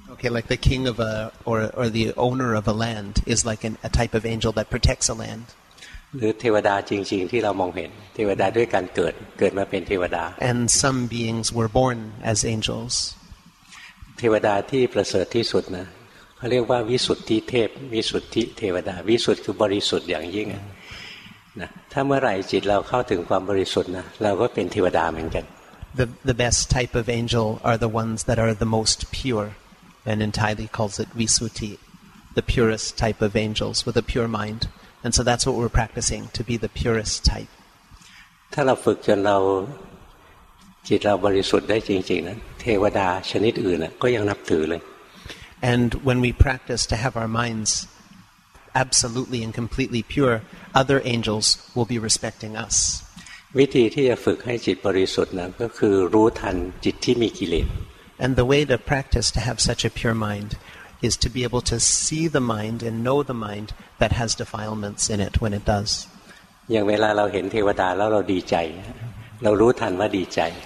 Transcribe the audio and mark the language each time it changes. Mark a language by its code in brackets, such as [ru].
[en] like the king of a or the owner of a land is like a type of angel that protects a land. [th] หรือเทวดาจริงๆที่เรามองเห็นเทวดาด้วยการเกิดมาเป็นเทวดา [en] And some beings were born as angels. [th] เทวดาที่ประเสริฐที่สุดนะเขาเรียกว่าวิสุทธิเทพวิสุทธิเทวดาวิสุทธิคือบริสุทธิ์อย่างยิ่งนะถ้าเมื่อไหร่จิตเราเข้าถึงความบริสุทธิ์นะเราก็เป็นเทวดาเหมือนกัน [en] The best type of angel are the ones that are the most pure and in Thai they calls it visuddhi the purest type of angels with a pure mind and so that's what we're practicing to be the purest type [th] ถ้าเราฝึกจนเราจิตเราบริสุทธิ์ได้จริงๆนะเทวดาชนิดอื่นก็ยังนับถือเลย [en] And when we practice to have our minds absolutely and completely pure, other angels will be respecting us. [th] วิธีที่จะฝึกให้จิตบริสุทธิ์นะก็คือรู้ทันจิตที่มีกิเลส [en] And the way to practice to have such a pure mind is to be able to see the mind and know the mind that has defilements in it when it does. [th] อย่างเวลาเราเห็นเทวดาแล้วเราดีใจเรารู้ทันว่าดีใจ